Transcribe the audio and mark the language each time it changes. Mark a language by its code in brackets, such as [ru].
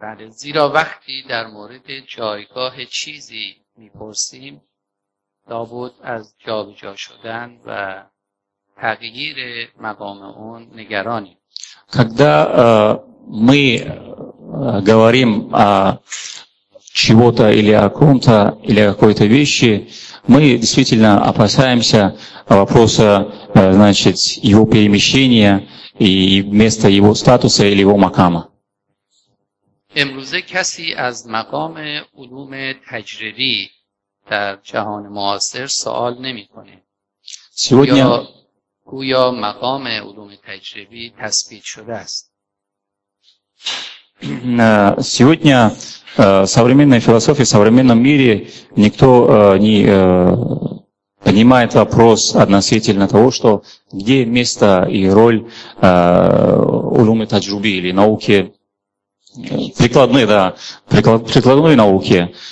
[fa] زیرا وقتی در مورد جایگاه چیزی می‌پرسیم، لابد از جابجا شدن و تغییر مقام اون نگرانی. [ru] Когда мы говорим о чего-то или о ком-то или о какой-то вещи, мы действительно опасаемся вопроса, значит, его перемещения и места его статуса или его макама. [fa] امروزه کسی از مقام علوم تجربی در جهان معاصر سوال نمی‌کنه. [ru] Сегодня [fa] گویا مقام علوم تجربی تثبیت شده است. [ru] Сегодня современной философии, в современном мире никто не понимает вопрос относительно того, что где место и роль улумы таджруби или науки прикладной, да, прикладной науки.